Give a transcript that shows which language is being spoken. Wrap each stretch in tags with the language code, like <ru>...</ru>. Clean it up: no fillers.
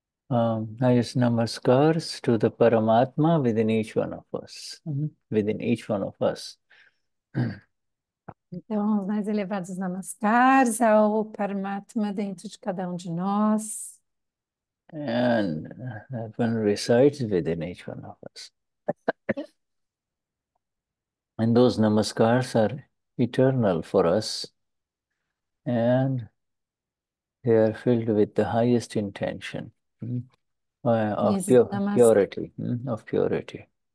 <en>Highest namaskars to the Paramatma within each one of us. Within each one of us.</en> <pt>Então, os mais elevados namaskars ao Paramatma dentro de cada de nós.</pt> <en>And that one resides within each one of us. And those namaskars are eternal for us. And they are filled with the highest intention of purity.</en>